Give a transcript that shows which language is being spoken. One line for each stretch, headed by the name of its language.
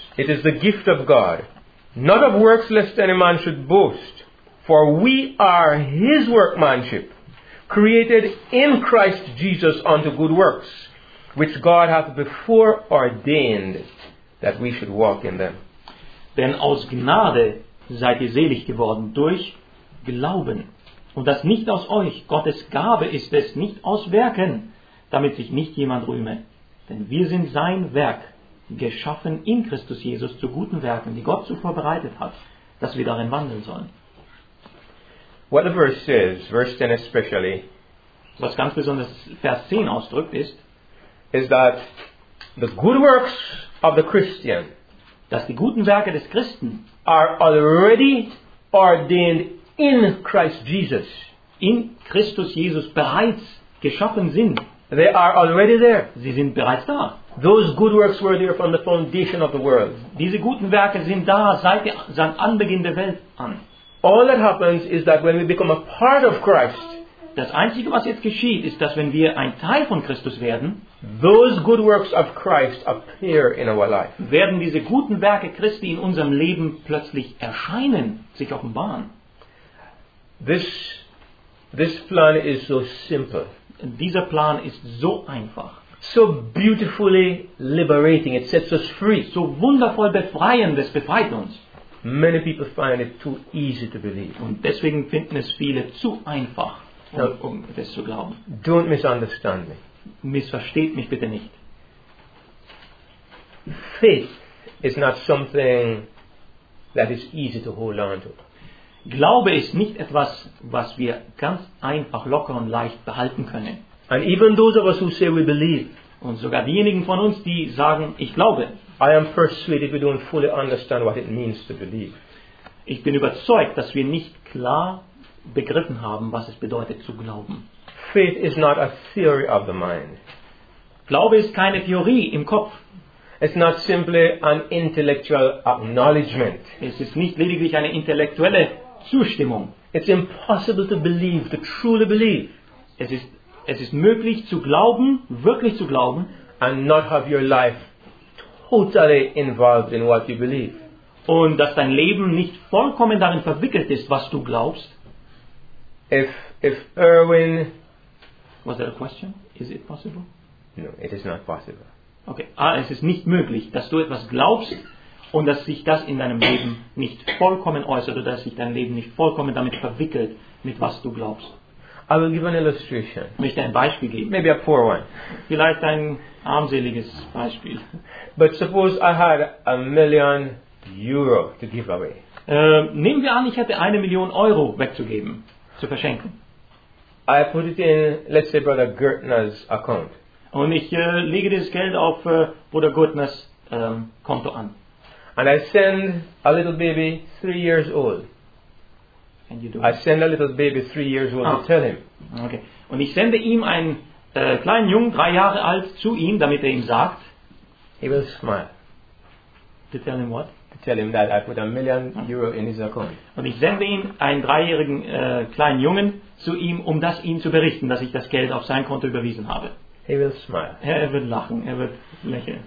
English: It is the gift of God, not of works, lest any man should boast. For we are his workmanship, created in Christ Jesus unto good works, which God hath before ordained that we should walk in them.
German: Denn aus Gnade seid ihr selig geworden durch Glauben. Und das nicht aus euch, Gottes Gabe ist es, nicht aus Werken, damit sich nicht jemand rühme. Denn wir sind sein Werk, geschaffen in Christus Jesus zu guten Werken, die Gott zuvor bereitet hat, dass wir darin wandeln sollen.
English: What the verse says, verse 10 especially,
German: was ganz besonders Vers 10 ausdrückt ist,
English: is that the good works of the Christian,
German: dass die guten Werke des Christen,
English: are already ordained in Christ Jesus,
German: in Christus Jesus bereits geschaffen sind.
English: They are already there.
German: Sie sind bereits da.
English: Those good works were there from the foundation of the world.
German: Diese guten Werke sind da seit Anbeginn der Welt an.
English: All that happens is that when we become a part of Christ,
German: das Einzige, was jetzt geschieht, ist, dass wenn wir ein Teil von Christus werden,
English: those good works of Christ appear in our life.
German: Werden diese guten Werke Christi in unserem Leben plötzlich erscheinen, sich offenbaren.
English: This plan is so simple.
German: Dieser Plan ist so einfach.
English: So beautifully liberating. It sets us free.
German: So wundervoll befreiend. Es befreit uns.
English: Many people find it too easy to believe.
German: Und deswegen finden es viele zu einfach, um das zu glauben.
English: Don't misunderstand me.
German: Missversteht mich bitte nicht.
English: Faith is not something that is easy to hold on to.
German: Glaube ist nicht etwas, was wir ganz einfach, locker und leicht behalten können.
English: And even those of us who say we believe,
German: und sogar diejenigen von uns, die sagen, ich glaube,
English: I am persuaded we don't fully understand what it means to believe.
German: Ich bin überzeugt, dass wir nicht klar begriffen haben, was es bedeutet zu glauben.
English: Faith is not a theory of the mind.
German: Glaube ist keine Theorie im Kopf.
English: It's not simply an intellectual acknowledgement.
German: Es ist nicht lediglich eine intellektuelle Zustimmung.
English: It's impossible to believe, to truly believe.
German: Es ist möglich zu glauben, wirklich zu glauben,
English: and not have your life totally involved in what you believe.
German: Und dass dein Leben nicht vollkommen darin verwickelt ist, was du glaubst.
English: If Erwin, was that a question? Is it possible? No, it is not possible.
German: Okay, es ist nicht möglich, dass du etwas glaubst und dass sich das in deinem Leben nicht vollkommen äußert oder dass sich dein Leben nicht vollkommen damit verwickelt, mit was du glaubst.
English: I will give an illustration.
German: Ich möchte ein Beispiel geben.
English: Maybe a poor one.
German: Vielleicht ein armseliges Beispiel.
English: But suppose I had a million euro to give away.
German: Nehmen wir an, ich hätte 1 Million Euro wegzugeben, zu verschenken.
English: I put it in, let's say, Brother Gertner's account.
German: Und ich lege dieses Geld auf Bruder Gertners Konto an.
English: And I send a little baby 3 years old. And you do. I send a little baby 3 years old to tell him. Okay.
German: Und ich sende ihm einen kleinen Jungen, 3 Jahre alt, zu ihm, damit er ihm sagt.
English: He will smile. To tell him what? To tell him that I put €1 million in his account.
German: Und ich sende ihm einen 3-jährigen kleinen Jungen zu ihm, um das ihm zu berichten, dass ich das Geld auf sein Konto überwiesen habe.
English: He will smile.
German: Er wird lachen, er wird lächeln.